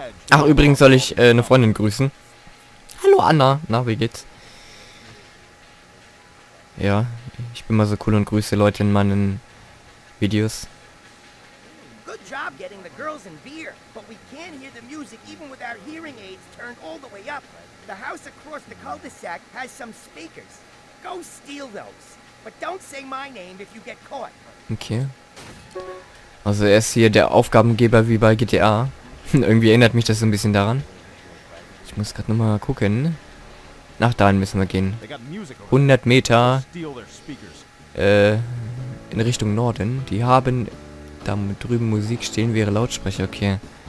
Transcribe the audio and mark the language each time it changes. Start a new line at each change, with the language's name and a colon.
German: Ach, übrigens soll ich eine Freundin grüßen. Hallo Anna, na, wie geht's? Ja, ich bin mal so cool und grüße Leute in meinen Videos.
English: Good job getting the girls in beer, but we can't hear the music even with our hearing aids turned all the way up. The house across the cul-de-sac has some speakers. Go steal those. But don't say my name if you get caught. Okay.
German: Also er ist hier der Aufgabengeber wie bei GTA. Irgendwie erinnert mich das so ein bisschen daran. Ich muss gerade nochmal gucken. Nach dahin müssen wir gehen. 100 Meter in Richtung Norden. Die haben da drüben Musik stehen, wäre Lautsprecher. Okay.